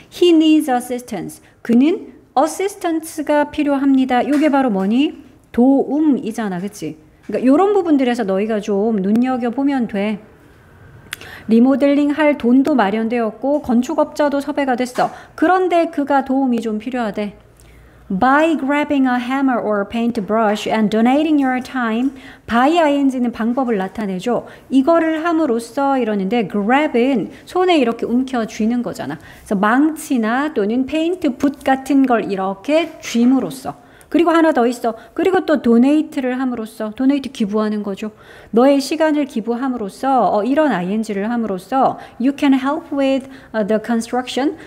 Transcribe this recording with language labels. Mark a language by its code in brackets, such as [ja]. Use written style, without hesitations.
[en] He needs assistance. [ko] 그는 assistance가 필요합니다. 이게 바로 뭐니? 도움이잖아. 그치? 그러니까 이런 부분들에서 너희가 좀 눈여겨보면 돼. 리모델링 할 돈도 마련되었고 건축업자도 섭외가 됐어. 그런데 그가 도움이 좀 필요하대. [en] By grabbing a hammer or paint brush and donating your time, by ing [ko] 는 방법을 나타내죠. 이거를 함으로써 이러는데 grab은 손에 이렇게 움켜쥐는 거잖아. 그래서 망치나 또는 페인트 붓 같은 걸 이렇게 쥐므로써. 그리고 하나 더 있어. 그리고 또 도네이트를 함으로써, 도네이트 기부하는 거죠. 너의 시간을 기부함으로써, 이런 ing를 함으로써 [en] you can help with the construction.